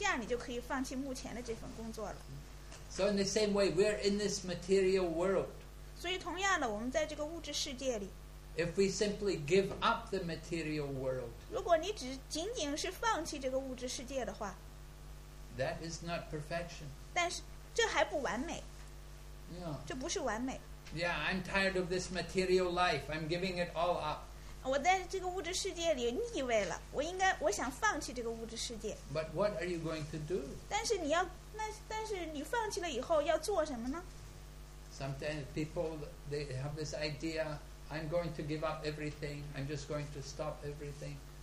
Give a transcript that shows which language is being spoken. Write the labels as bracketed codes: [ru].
[zh] 但是如果你找到更好的一份工作，这样你就可以放弃目前的这份工作了。 [en] So in the same way, we're in this material world. [zh] 所以同样的，我们在这个物质世界里。If [en] we simply give up the material world, [zh] 如果你只仅仅是放弃这个物质世界的话，that [en] is not perfection. [zh] 但是这还不完美。Yeah. 这不是完美。Yeah, [en] I'm tired of this material life. I'm giving it all up. [zh] 我在这个物质世界里腻味了，我想放弃这个物质世界。 [en] But what are you going to do? [zh] 但是你放弃了以后要做什么呢？ [en] Sometimes people they have this idea, I'm going to give up everything, I'm just going to stop everything.